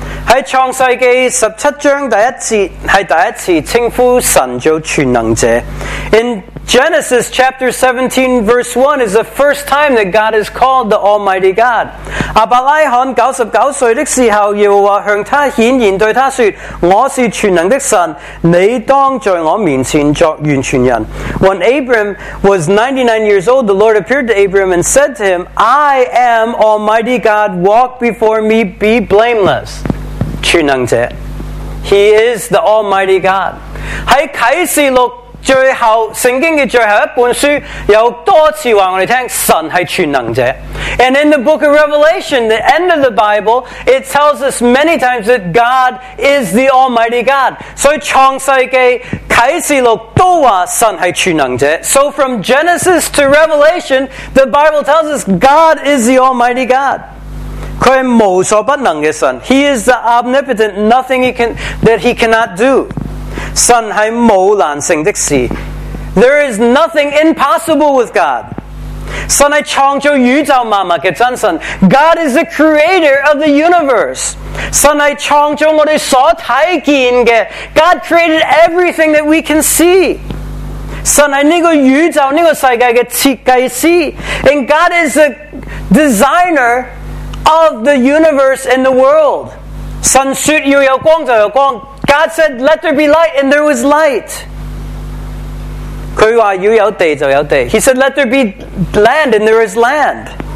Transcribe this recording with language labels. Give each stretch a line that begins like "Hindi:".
Chinese: 在创世纪17章第一节是第一次称呼神做全能者。
English: In Genesis chapter 17 verse 1 is the first time that God is called the Almighty God.
Chinese: 亚伯拉罕99岁的时候，耶和华向他显现对他说，我是全能的神，你当在我面前作完全人。
English: When Abram was 99 years old, the Lord appeared to Abram and said to him, I am Almighty God, walk before me, be blameless.
Chinese: 全能者，
English: He is the Almighty God.
Chinese: 在启示录最后，圣经的最后一本书，有多次话我们听，神是全能者。
English: And in the book of Revelation, the end of the Bible, it tells us many times that God is the Almighty God.
Chinese: 所以创世纪、启示录都说神是全能者。
English: So from Genesis to Revelation, the Bible tells us God is the Almighty God.
Chinese: 他是无所不能的神。
English: He is the omnipotent, nothing that he cannot do.
Chinese: 神是无难成的事。
English: There is nothing impossible with God.
Chinese: 神是创造宇宙万物的真神。
English: God is the creator of the universe.
Chinese: 神是创造我们所看见的。
English: God created everything that we can see.
Chinese: 神是这个宇宙这个世界的设计师。
English: And God is the designer of the universe and the world.
Chinese: 神说要有光就有光。
English: God said, let there be light, and there was light.
Chinese: 他说要有地就有地。
English: He said, let there be land, and there is land.